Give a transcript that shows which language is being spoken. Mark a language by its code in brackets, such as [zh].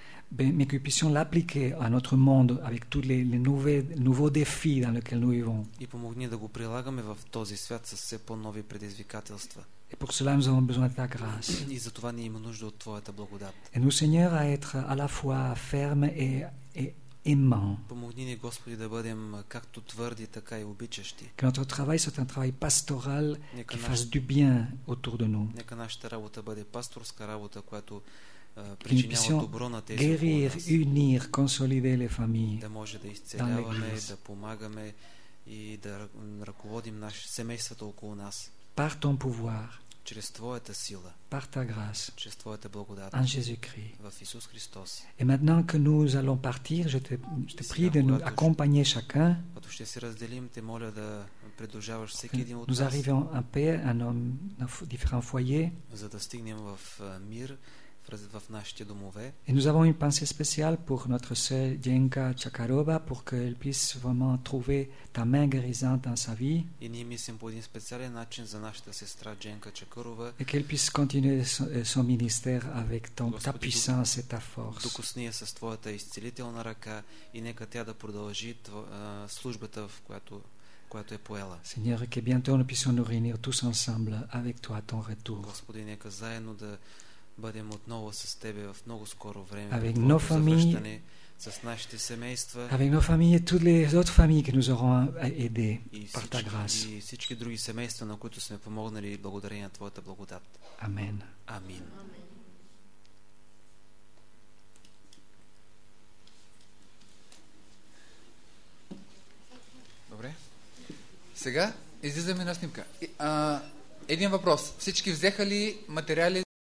[fr] Mais que puissions l'appliquer à notre monde avec tous les nouveaux défis dans lesquels nous vivons. Et pour cela, nous avons besoin de ta grâce. Et nous, Seigneur, à être à la fois ferme et [bg] Помогни ни, Господи, да бъдем както твърди, така и обичащи. [fr] Que notre travail soit un travail pastoral qui fasse du bien autour de nous. [bg] Нека нашата работа бъде пасторска работа, която причинява добро на тези хора. [fr] Guérir, unir, consolider les familles. [bg] Да може да изцеляваме, да помагаме и да ръководим семействата около нас. [fr] Par ton pouvoir. [bg] Чрез твоята сила. [fr] Par ta grâce. [bg] Чрез твоята благодат. [fr] En Jésus-Christ. [bg] В Исус Христос. [fr] Et maintenant que nous allons partir, je te prie de nous accompagner chacun. [bg] Когато ще се разделим, те моля да придружаваш всеки един от нас. [fr] Nous arrivons en paix à nos différents foyers. [bg] За да стигнем в мир в нашите домове. [fr] Et nous avons une pensée spéciale pour notre sœur Dienka Chakarova pour qu'elle puisse vraiment trouver ta main guérissante dans sa vie. [bg] И ние мислим по един специален начин за нашата сестра Дженка Чакарова. [fr] Et qu'elle puisse continuer son ministère avec ta puissance et ta force. [bg] Докосни я с твоята изцелителна ръка и нека тя да продължи службата, в която е поела. [fr] Seigneur, que bientôt nous puissions nous réunir tous ensemble avec toi à ton retour. [bg] Господи, нека заедно да бъдем отново с Тебе в много скоро време. [fr] Avec nos familles, [bg] с нашите семейства. [fr] Avec nos familles et toutes les autres familles que nous aurons aidé par ta grâce. [bg] И всички други семейства, на които сме помогнали благодарение на Твоята благодат. Амен. Амин. Добре. Сега излизаме на снимка. Един въпрос. Всички взеха ли материали